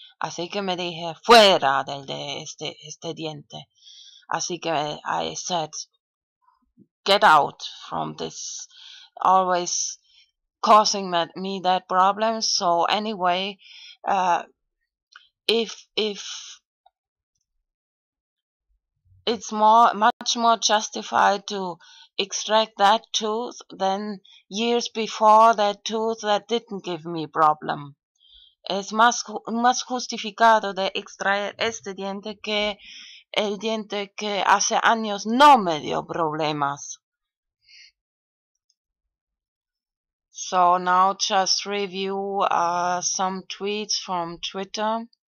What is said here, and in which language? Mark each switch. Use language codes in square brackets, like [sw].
[es] Así que me dije, fuera del de este diente. Así que [en] I said, get out from this, always causing me that problem. So anyway, if it's much more justified to extract that tooth than years before that tooth that didn't give me problem. [es] Es más justificado de extraer este diente que el diente que hace años no me dio problemas. [en] So now just review some tweets from Twitter.